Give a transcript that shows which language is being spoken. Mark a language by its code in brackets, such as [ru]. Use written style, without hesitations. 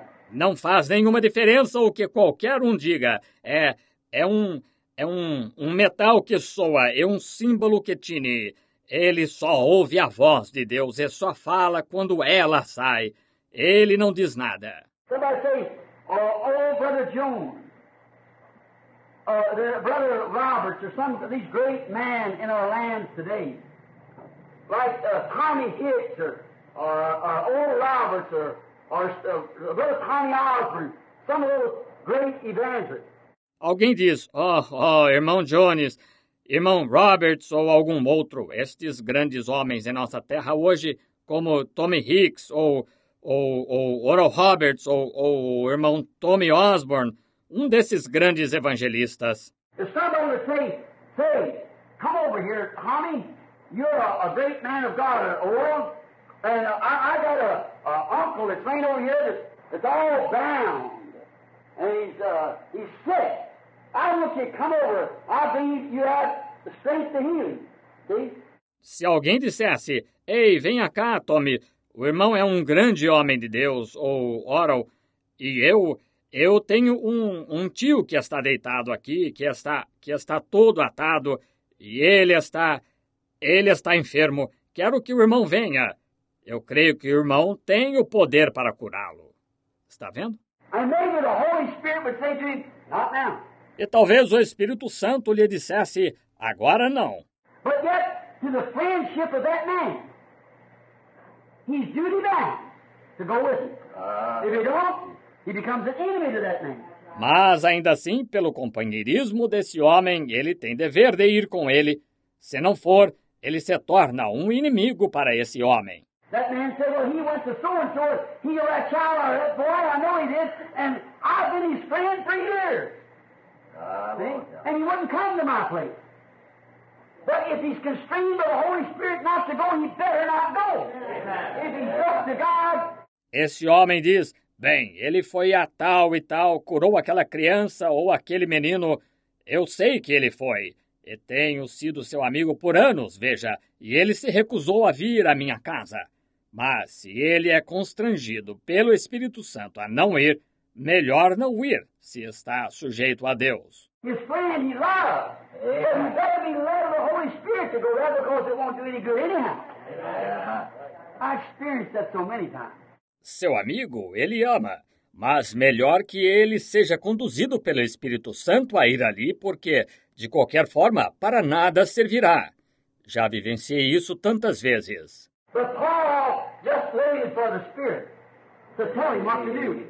[pt] Não faz nenhuma diferença o que qualquer um diga. É um metal que soa, é um símbolo que tine. Ele só ouve a voz de Deus e só fala quando ela sai. Ele não diz nada. [en] Somebody say, Brother June, Brother Roberts, or some of these great men in our land today, like Tommy Hicks or Oral Roberts or little Tommy Osborne, some of those great evangelists. [pt] Alguém diz, irmão Jones, irmão Roberts ou algum outro, estes grandes homens em nossa terra hoje, como Tommy Hicks ou Oral Roberts ou irmão Tommy Osborne, um desses grandes evangelistas. [en] If somebody would say, come over here, Tommy, you're a great man of God, Oral, and I got an uncle that's laying over here that's all bound, and he's sick. I want you to come over. I believe you have the strength to heal him. See? [pt] Se alguém dissesse, ei, venha cá, Tommy. O irmão é um grande homem de Deus, ou Oral, e eu tenho um tio que está deitado aqui, que está todo atado, e ele está enfermo. Quero que o irmão venha. Eu creio que o irmão tem o poder para curá-lo. Está vendo? [en] And maybe the Holy Spirit would say to him, not now. [pt] E talvez o Espírito Santo lhe dissesse, agora não. [en] But yet, to the friendship of that man, he's duty bound to go with him. If he don't, he becomes an enemy to that man. [pt] Mas ainda assim, pelo companheirismo desse homem, ele tem dever de ir com ele. Se não for, ele se torna um inimigo para esse homem. [en] That man said, well, he went to so-and-so, he or that child or that boy, I know he did, and I've been his friend for years. See? And he wouldn't come to my place. But if he's constrained by the Holy Spirit not to go, he better not go. Amen. If he's up to God. [pt] Esse homem diz, bem, ele foi a tal e tal, curou aquela criança ou aquele menino. Eu sei que ele foi. E tenho sido seu amigo por anos, veja. E ele se recusou a vir à minha casa. Mas se ele é constrangido pelo Espírito Santo a não ir, melhor não ir, se está sujeito a Deus. [en] His friend he loves. Yeah. But he better be led of the Holy Spirit to go there because it won't do any good anyhow. Yeah. I experienced that so many times. [pt] Seu amigo, ele ama. Mas melhor que ele seja conduzido pelo Espírito Santo a ir ali, porque, de qualquer forma, para nada servirá. Já vivenciei isso tantas vezes. [en] But Paul just waited for the Spirit to tell him what to do.